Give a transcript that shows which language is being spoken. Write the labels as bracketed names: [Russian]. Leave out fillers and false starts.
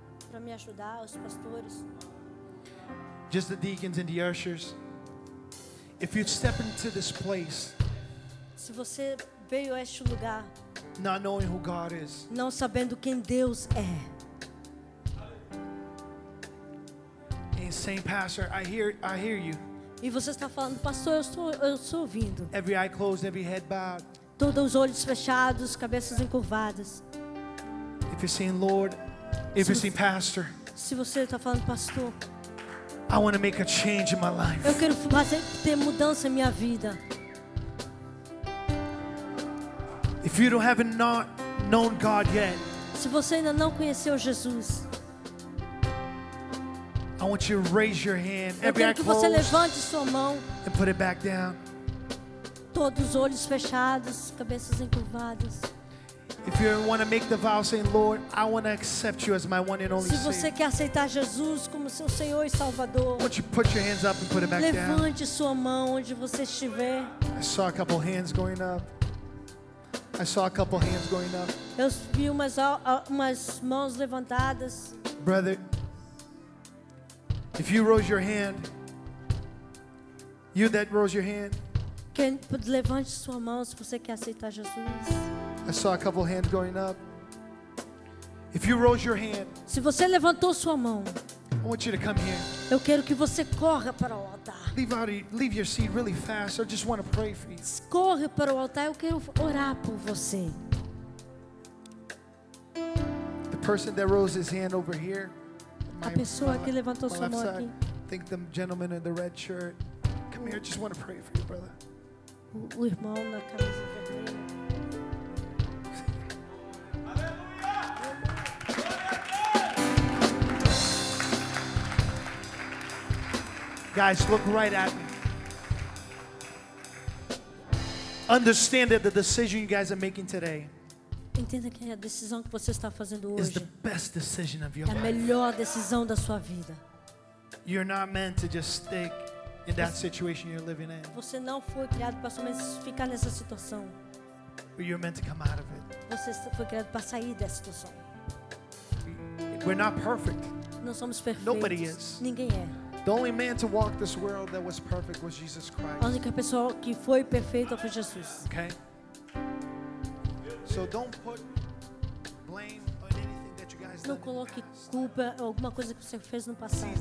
[Portuguese] Para me ajudar, os pastores. [English] Just the deacons and the ushers. If you step into this place, [Portuguese] se você veio a este lugar, [English] not knowing who God is, [Portuguese] não sabendo quem Deus é. [English] And saying, Pastor, I hear you. [Portuguese] E você está falando, pastor, eu estou ouvindo. [English] Every eye closed, every head bowed. [Portuguese] Todos os olhos fechados, cabeças encurvadas. [English] If you're saying, Lord, if you're saying, Pastor, [Portuguese] se você está falando, pastor, [English] I want to make a change in my life. [Portuguese] Eu quero fazer ter mudança em minha vida. [English] If you don't have not known God yet, [Portuguese] se você ainda não conheceu Jesus, [English] I want you to raise your hand. Every eye closed. [Portuguese] Eu quero que você levante sua mão. [English] And put it back down. [Portuguese] Todos os olhos fechados, cabeças encurvadas. [English] If you want to make the vow saying, Lord, I want to accept you as my one and only [Portuguese] Savior. Se você quer aceitar Jesus como seu Senhor e Salvador. [English] Why don't you put your hands up and put it back [Portuguese] levante [English] down. [Portuguese] Levante sua mão onde você estiver. [English] I saw a couple hands going up. I saw a couple hands going up. [Portuguese] Eu vi umas mãos levantadas. [English] Brother, if you rose your hand, you that rose your hand, [Portuguese] can levante sua mão se você quer aceitar Jesus. [English] I saw a couple hands going up. If you rose your hand, [Portuguese] se você levantou sua mão, [English] I want you to come here. [Portuguese] Eu quero que você corra para o altar. [English] Leave your seat really fast. I just want to pray for you. [Portuguese] Corre para o altar. Eu quero orar por você. [English] The person that rose his hand over here. [Portuguese] A pessoa que levantou sua mão aqui. [English] Think the gentleman in the red shirt. Come here, I just want to pray for you, brother. [Portuguese] O irmão na camisa vermelha. [English] Guys, look right at me. Understand that the decision you guys are making today. [Portuguese] Entenda que a decisão que você está fazendo hoje [English] is the best decision of your [Portuguese] é a melhor decisão da sua vida. [English] You're not meant to just stick in that situation you're living in. [Portuguese] Você não foi criado para somente ficar nessa situação. [English] But you're meant to come out of it. [Portuguese] Você foi criado para sair dessa situação. [English] We're not perfect. [Portuguese] Não somos perfeitos. [English] Nobody is. [Portuguese] Ninguém é. [English] The only man to walk this world that was perfect was Jesus Christ. [Portuguese] A única pessoa que foi perfeita foi Jesus. [English] Okay? So don't put blame on anything that you guys [Portuguese] não coloque culpa ou alguma coisa que você fez no passado.